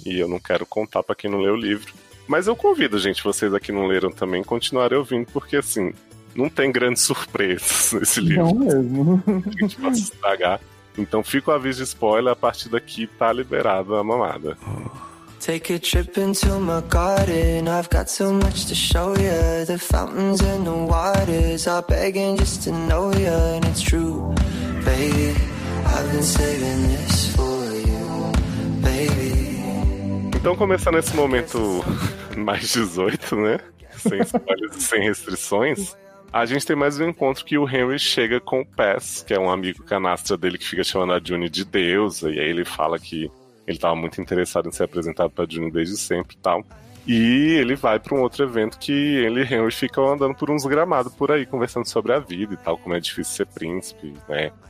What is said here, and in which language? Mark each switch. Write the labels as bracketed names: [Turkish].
[Portuguese] E eu não quero contar pra quem não leu o livro. Mas eu convido, gente, vocês aqui não leram também, continuarem ouvindo, porque assim, não tem grandes surpresas nesse livro. Não mesmo. A gente pode estragar. Então fica o aviso de spoiler, a partir daqui tá liberada a mamada. [English] Take a trip into my garden. I've got so much to show ya. The fountains and the waters are begging just to know ya. And it's true, baby. I've been saving this for you, baby. [Portuguese] Então, começando nesse momento mais 18, né? Sem spoilers, sem restrições. A gente tem mais um encontro que o Henry chega com o Pass, que é um amigo canastra dele que fica chamando a June de deusa. E aí ele fala que ele tava muito interessado em ser apresentado pra Juno desde sempre e tal. E ele vai pra um outro evento que ele e Henry ficam andando por uns gramados por aí, conversando sobre a vida e tal, como é difícil ser príncipe, né?